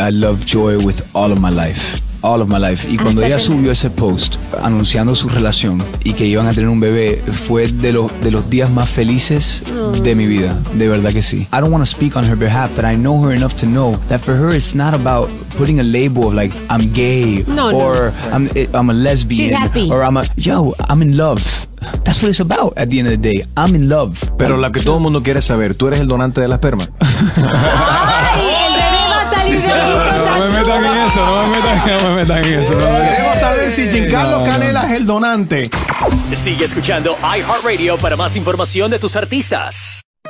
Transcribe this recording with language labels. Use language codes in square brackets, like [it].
[en] I love Joy with all of my life. All of my life. [es] Y cuando ella subió ese post anunciando su relación y que iban a tener un bebé, fue de los días más felices de mi vida. De verdad que sí. [en] I don't want to speak on her behalf, but I know her enough to know that for her it's not about putting a label of like I'm gay I'm a lesbian. She's happy. Or I'm in love. That's what it's about at the end of the day. I'm in love. [es] Pero la que todo el mundo quiere saber, ¿tú eres el donante de la esperma? No me metan en eso. Queremos saber si Giancarlo Canela es el donante. Sigue escuchando iHeartRadio para más información de tus artistas.